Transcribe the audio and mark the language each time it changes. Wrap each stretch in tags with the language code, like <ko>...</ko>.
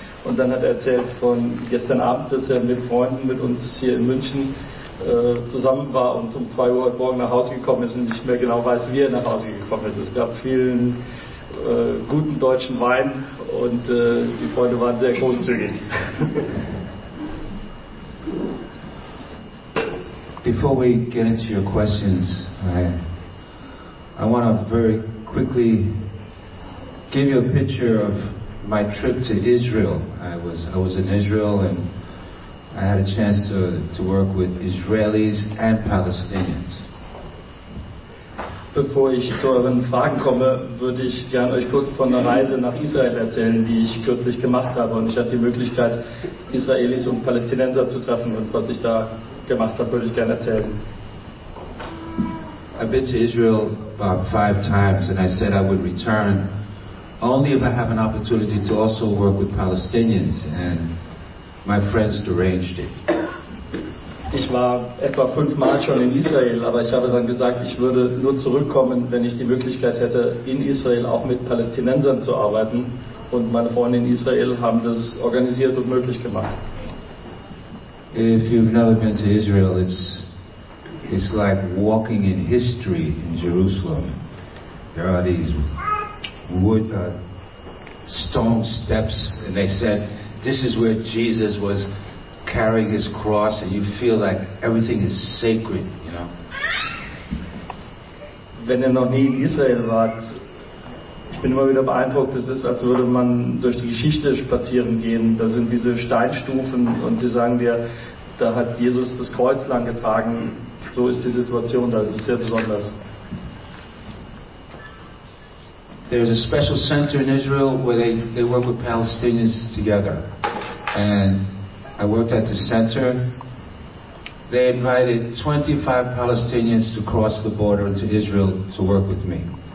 <de>Und dann hat er erzählt von gestern Abend, dass er mit Freunden mit uns hier in München zusammen war und um 2 Uhr heute Morgen nach Hause gekommen ist und nicht mehr genau weiß, wie er nach Hause gekommen ist. Es gab vielen guten deutschen Wein und die Freunde waren sehr großzügig.</de> <en>Before we get into your questions, I want to very quickly give you a picture of my trip to Israel. I was in Israel and I had a chance to work with Israelis and Palestinians.</en> <de>Bevor ich zu euren Fragen komme, würde ich gerne euch kurz von einer Reise nach Israel erzählen, die ich kürzlich gemacht habe. Und ich hatte die Möglichkeit, Israelis und Palästinenser zu treffen. Und was ich da gemacht habe, würde ich gerne erzählen.</de> <en>I've been to Israel about 5 times and I said I would return only if I have an opportunity to also work with Palestinians. And my friends arranged it.</en> <de>Ich war etwa 5 Mal schon in Israel, aber ich habe dann gesagt, ich würde nur zurückkommen, wenn ich die Möglichkeit hätte, in Israel auch mit Palästinensern zu arbeiten. Und meine Freunde in Israel haben das organisiert und möglich gemacht.</de> <en>If you've never been to Israel, it's like walking in history in Jerusalem. There are these wood stone steps, and they said, this is where Jesus was carrying his cross, and you feel like everything is sacred, you know.</en> <de>Wenn ihr noch nie in Israel wart, ich bin immer wieder beeindruckt, es ist, als würde man durch die Geschichte spazieren gehen. Da sind diese Steinstufen, und sie sagen dir, da hat Jesus das Kreuz lang getragen. So ist die Situation da, es ist sehr besonders.</de> <en>There is a special center in Israel where they work with Palestinians together. And I worked at the center. They invited 25 Palestinians to cross the border into Israel to work with me.</en>